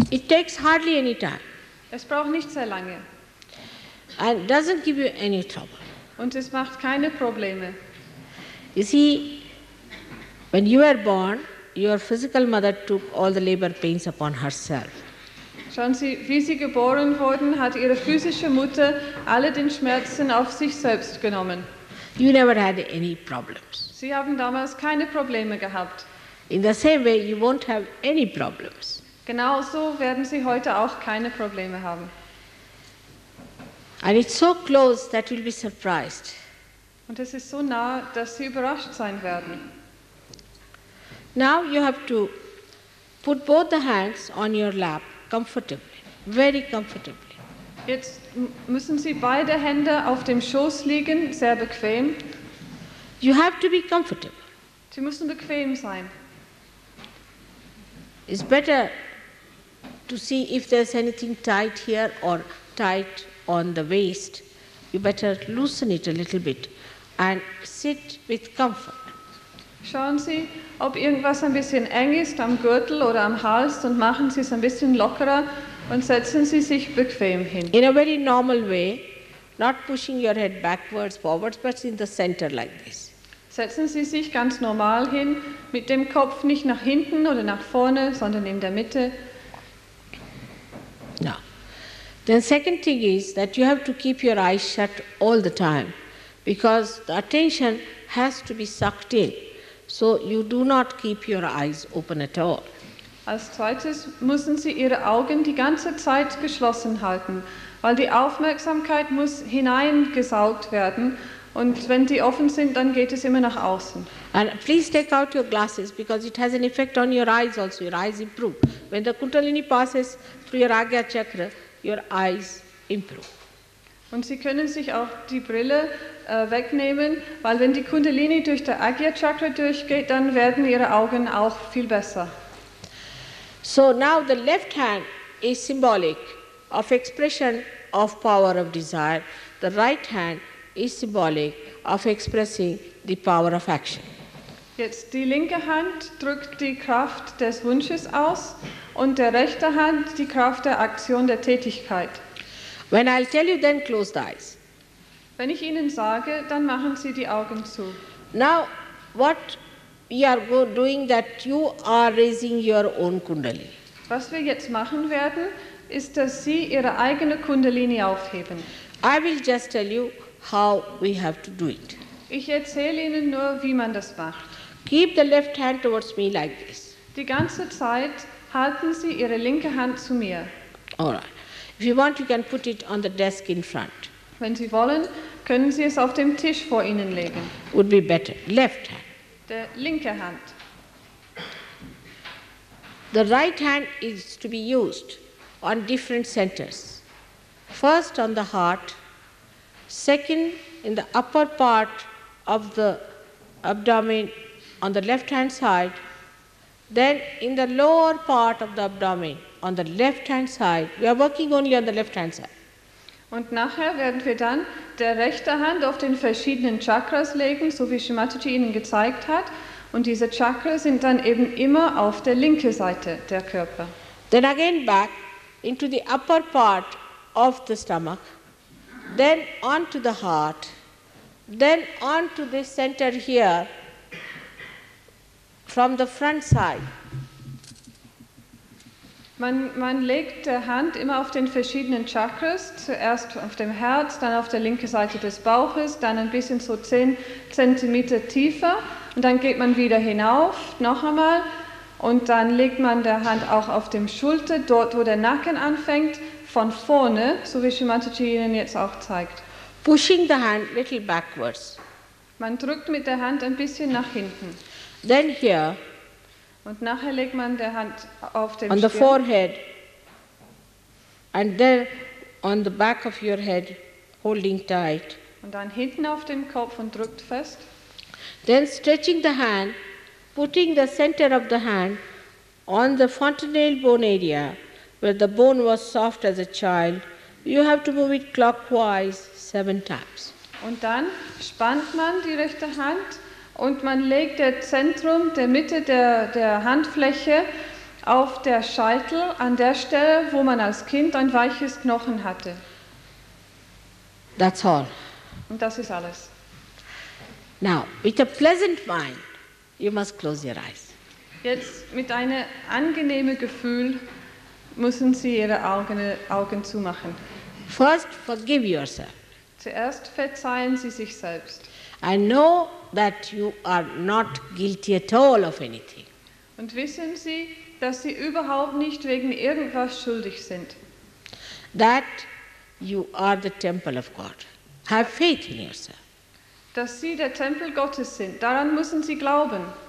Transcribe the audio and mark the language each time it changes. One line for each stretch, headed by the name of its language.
English: It takes hardly any time.
German: Es braucht nicht sehr lange.
English: And doesn't give you any trouble.
German: Und es macht keine Probleme.
English: You see, when you were born, your physical mother took all the labor pains upon herself.
German: Schauen Sie, wie Sie geboren wurden, hat Ihre physische Mutter alle den Schmerzen auf sich selbst genommen.
English: You never had any problems.
German: Sie haben damals keine Probleme gehabt.
English: In the same way, you won't have any problems.
German: Genauso werden Sie heute auch keine Probleme haben.
English: And it's so close that you'll be surprised.
German: Und es ist so nah, dass Sie überrascht sein werden.
English: Now you have to put both the hands on your lap comfortably, very comfortably.
German: Jetzt müssen Sie beide Hände auf dem Schoß liegen, sehr bequem.
English: You have to be comfortable.
German: Sie müssen bequem sein.
English: It's better to see if there's anything tight here or tight on the waist. You better loosen it a little bit and sit with comfort.
German: Schauen Sie, ob irgendwas ein bisschen eng ist am Gürtel oder am Hals, und machen Sie es ein bisschen lockerer und setzen Sie sich bequem hin.
English: In a very normal way, not pushing your head backwards, forwards, but in the center like this.
German: Setzen Sie sich ganz normal hin, mit dem Kopf nicht nach hinten oder nach vorne, sondern in der Mitte.
English: Now, the second thing is that you have to keep your eyes shut all the time, because the attention has to be sucked in. So you do not keep your eyes open at all.
German: Als zweites müssen Sie Ihre Augen die ganze Zeit geschlossen halten, weil die Aufmerksamkeit muss hineingesaugt werden. Und wenn die offen sind, dann geht es immer nach außen.
English: And please take out your glasses, because it has an effect on your eyes also. Your eyes improve. When the Kundalini passes through your Ajna Chakra, your eyes improve.
German: Und Sie können sich auch die Brille wegnehmen, weil wenn die Kundalini durch der Ajna Chakra durchgeht, dann werden Ihre Augen auch viel besser.
English: So now the left hand is symbolic of expression of power of desire. The right hand is symbolic of expressing the power of action.
German: Jetzt die linke Hand drückt die Kraft des Wunsches aus und der rechte Hand die Kraft der Aktion, der Tätigkeit.
English: When I'll tell you, then close the eyes.
German: Wenn ich Ihnen sage, dann machen Sie die Augen zu.
English: Now, what we are doing, that you are raising your own Kundalini.
German: Was wir jetzt machen werden, ist, dass Sie Ihre eigene Kundalini aufheben.
English: I will just tell you how we have to do it.
German: Ich erzähle Ihnen nur, wie man das macht.
English: Keep the left hand towards me like this.
German: Die ganze Zeit halten Sie Ihre linke Hand zu mir.
English: All right. If you want, you can put it on the desk in front.
German: Wenn Sie wollen, können Sie es auf dem Tisch vor Ihnen legen.
English: Would be better. Left hand.
German: Der linke Hand.
English: The right hand is to be used on different centers. first on the heart, second in the upper part of the abdomen on the left hand side, then in the lower part of the abdomen on the left hand side. We are working only on the left hand side.
German: Und nachher werden wir dann der rechte Hand auf den verschiedenen Chakras legen, so wie Shrimatiji Ihnen gezeigt hat, und diese Chakras sind dann eben immer auf der linken Seite der Körper.
English: Then again back into the upper part of the stomach, then on to the heart, then on to this center here, from the front side.
German: Man legt der Hand immer auf den verschiedenen Chakras, zuerst auf dem Herz, dann auf der linken Seite des Bauches, dann ein bisschen so 10 cm tiefer, und dann geht man wieder hinauf, noch einmal, und dann legt man der Hand auch auf dem Schulter, dort wo der Nacken anfängt, von vorne, so wie Shrimatiji Ihnen jetzt auch zeigt.
English: Pushing the hand little backwards.
German: Man drückt mit der Hand ein bisschen nach hinten.
English: Then here.
German: Und nachher legt man der Hand auf den
English: on Stirn. The forehead. And then on the back of your head, holding tight.
German: Und dann hinten auf den Kopf und drückt fest.
English: Then stretching the hand, putting the center of the hand on the fontanel bone area, where the bone was soft as a child. You have to move it clockwise 7 times.
German: Und dann spannt man die rechte Hand und man legt das Zentrum der Mitte der Handfläche auf der Scheitel an der Stelle, wo man als Kind ein weiches Knochen hatte.
English: That's all.
German: Und das ist alles.
English: Now, with a pleasant mind, you must close your eyes.
German: Jetzt mit einem angenehmen Gefühl müssen Sie Ihre Augen zumachen.
English: First, forgive yourself.
German: Zuerst verzeihen Sie sich selbst.
English: I know that you are not guilty at all of anything.
German: Und wissen Sie, dass Sie überhaupt nicht wegen irgendwas schuldig sind.
English: That you are the temple of God. Have faith in yourself.
German: Dass Sie der Tempel Gottes sind, daran müssen Sie glauben.